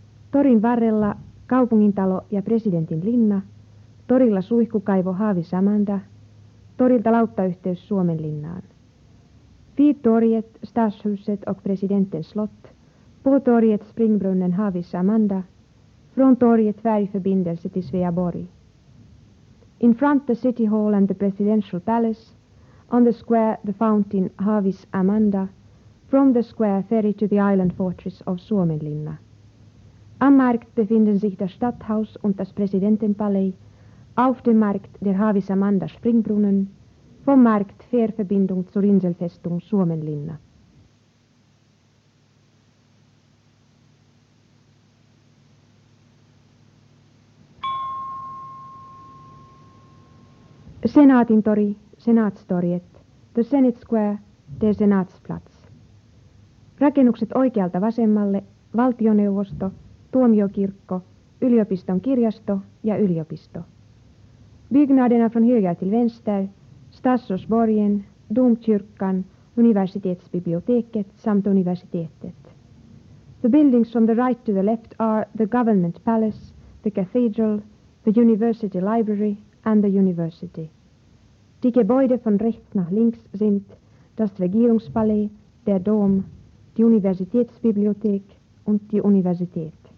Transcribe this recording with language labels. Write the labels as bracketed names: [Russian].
[Finnish] Torin varrella kaupungintalo ja presidentin linna, torilla suihkukaivo Haavi Samanda, torilta lauttayhteys Suomen linnaan. [Swedish] Vid torjet, Stadshuset och presidentens slott, på torjet Springbrunnen Haavi Samanda, från torjet färgförbindelse till Sveaborg. [English] In front the City Hall and the Presidential Palace, on the square, the fountain Haavis Amanda, from the square ferry to the island fortress of Suomenlinna. [German] Am Markt befinden sich das Stadthaus und das Präsidentenpalais, auf dem Markt der Haavis Amanda Springbrunnen, vom Markt Fährverbindung zur Inselfestung Suomenlinna. [English] Senaatintori, Senatstorjet. The Senate Square, [German] der Senatsplatz. [Finnish] Rakennukset oikealta vasemmalle, valtioneuvosto, tuomiokirkko, yliopiston kirjasto ja yliopisto. [Swedish] Byggnaderna från höger till vänster, Stadshusborgen, Domkyrkan, universitetsbiblioteket samt universitetet. [English] The buildings from the right to the left are the Government Palace, the Cathedral, the University Library and the University. [German] Die Gebäude von rechts nach links sind das Regierungspalais, der Dom, die Universitätsbibliothek und die Universität.